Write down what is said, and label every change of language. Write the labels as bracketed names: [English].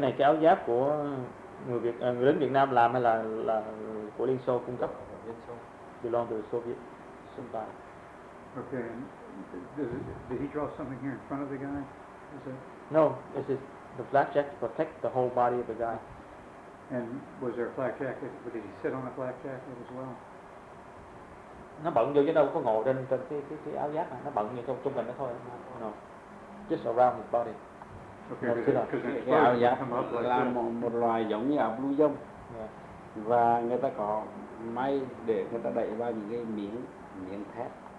[Vietnamese] Này cái áo giáp của người lính Việt Nam làm hay là của Liên Xô cung cấp? Liên Xô. [English] Belong to the Soviet. Somebody. Okay. Did he draw something here in front of the guy? Is it? No. It's just the flak jacket to protect the whole body of the guy. And was there a flak jacket? But did he sit on a flak jacket as well? [Vietnamese] Nó bận vô chứ đâu có ngồi trên cái áo giáp mà. Nó bận như trong trung bình nó thôi. [English] No. Just around his body. Okay, because [Vietnamese] cái áo giáp là một loài giống như áo blue dông. [English] Yeah. [Vietnamese] Và người ta có may để người ta đẩy vào những cái miếng thép.